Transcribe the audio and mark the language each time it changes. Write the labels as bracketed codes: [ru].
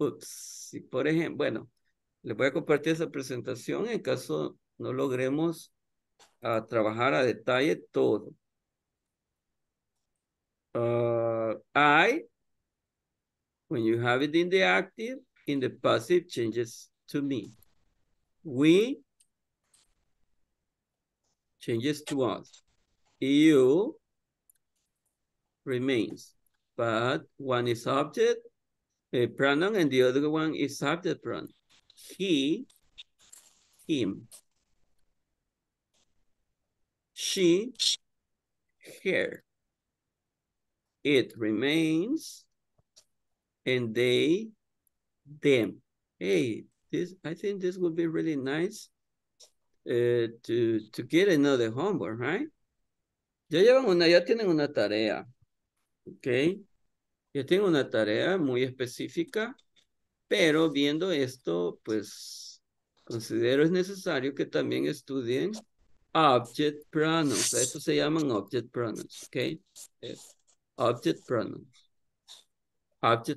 [es] Si por ejemplo, bueno, les voy a compartir esa presentación en caso no logremos trabajar a detalle todo. [en] When you have it in the active, in the passive changes to me. We changes to us. You remains, but one is object, a pronoun, and the other one is subject pronoun. He, him. She, her. It remains, and they, them. Hey, I think this would be really nice to get another homework, right? [es] Ya llevan una, ya tienen una tarea, okay? Yo tengo una tarea muy específica, pero viendo esto, pues, considero es necesario que también estudien object pronouns. Eso se llaman object pronouns, ¿ok? Object pronouns. Object